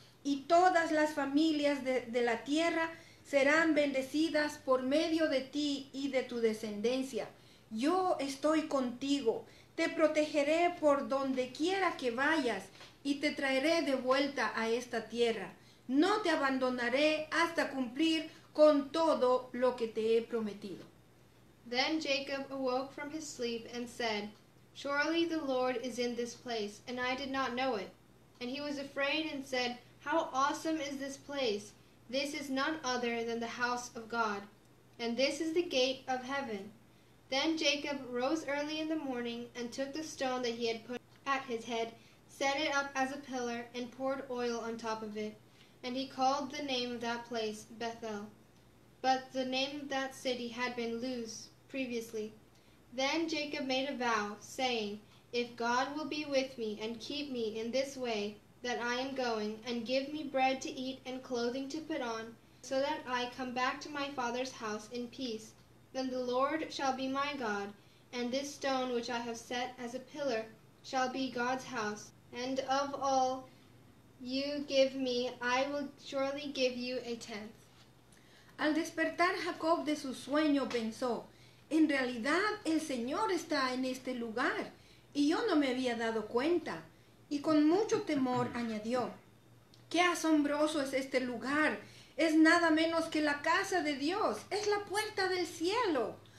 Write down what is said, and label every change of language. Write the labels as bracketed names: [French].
[Spanish] Y todas las familias de la tierra serán bendecidas por medio de ti y de tu descendencia. Yo estoy contigo, te protegeré por donde quiera que vayas y te traeré de vuelta a esta tierra. No te abandonaré hasta cumplir con todo lo que te he prometido. [English] Then Jacob awoke from his sleep and said, "Surely the Lord is in this place, and I did not know it." And he was afraid and said, "How awesome is this place! This is none other than the house of God, and this is the gate of heaven." Then Jacob rose early in the morning and took the stone that he had put at his head, set it up as a pillar, and poured oil on top of it. And he called the name of that place Bethel. But the name of that city had been Luz previously. Then Jacob made a vow, saying, "If God will be with me and keep me in this way that I am going, and give me bread to eat and clothing to put on, so that I come back to my father's house in peace, then the Lord shall be my God, and this stone which I have set as a pillar shall be God's house. And of all you give me, I will surely give you a tenth." [Spanish] Al despertar Jacob de su sueño pensó, "En realidad el Señor está en este lugar, y yo no me había dado cuenta." Y con mucho temor añadió, "¡Qué asombroso es este lugar! Es nada menos que la casa de Dios, es la puerta del cielo."